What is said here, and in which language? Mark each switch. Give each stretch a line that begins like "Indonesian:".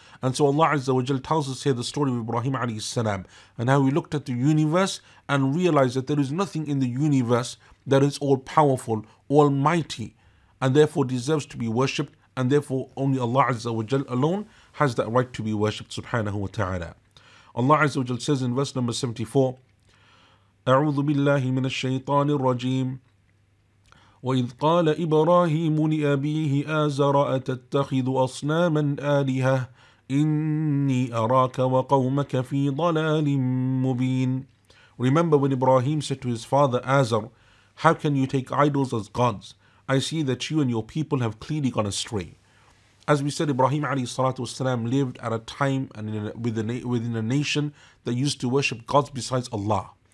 English: And so Allah Azza wa Jalla tells us here the story of Ibrahim alayhi salam and how he looked at the universe and realized that there is nothing in the universe that is all-powerful, almighty, and therefore deserves to be worshipped, and therefore only Allah Azza wa Jalla alone has that right to be worshipped, subhanahu wa ta'ala. Allah Azza wa Jalla says in verse number 74,
Arabic: أعوذ بالله من الشيطان الرجيم وإذ قال إبراهيم لأبيه آزر أتتخذ أصناما آلهة إني أراك وقومك في ضلال مبين.
English: Remember when Ibrahim said to his father Azar, how can you take idols as gods? I see that you and your people have clearly gone astray. As we said, Ibrahim alayhi salatu wasalam lived at a time and within a nation that used to worship gods besides Allah.